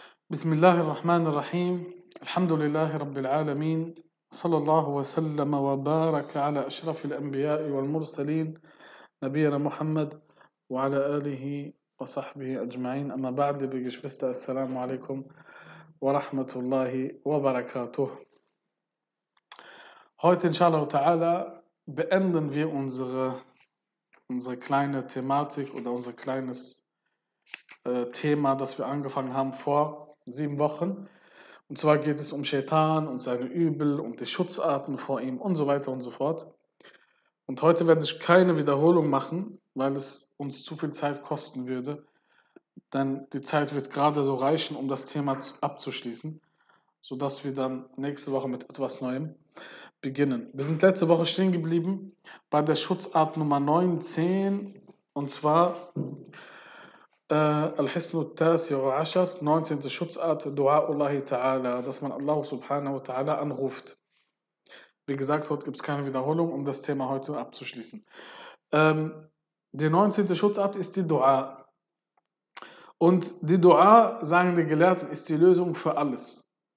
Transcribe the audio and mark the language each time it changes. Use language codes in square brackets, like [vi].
[ar] بسم الله الرحمن الرحيم، الحمد لله رب العالمين، صلى الله وسلم وبارك على أشرف الأنبياء والمرسلين نبينا محمد وعلى آله وصحبه أجمعين. أما بعد، بجشفست السلام عليكم ورحمة الله وبركاته. [de] Heute إن شاء الله تعالى beenden wir unsere kleine Thematik oder unser kleines Thema, das wir angefangen haben vor 7 Wochen. Und zwar geht es um Shaitan und seine Übel und die Schutzarten vor ihm und so weiter und so fort. Und heute werde ich keine Wiederholung machen, weil es uns zu viel Zeit kosten würde. Denn die Zeit wird gerade so reichen, um das Thema abzuschließen, sodass wir dann nächste Woche mit etwas Neuem beginnen. Wir sind letzte Woche stehen geblieben bei der Schutzart Nummer 19. Und zwar [ar] الحسن التاسع عشر 19. [de] Schutzart دعاء الله تعالى, dass man Allah subhanahu wa ta'ala anruft. Wie gesagt, heute gibt es keine Wiederholung, um das Thema heute abzuschließen. Die 19. Schutzart ist die Dua. Und die Dua, sagen die Gelehrten, ist die Lösung für alles.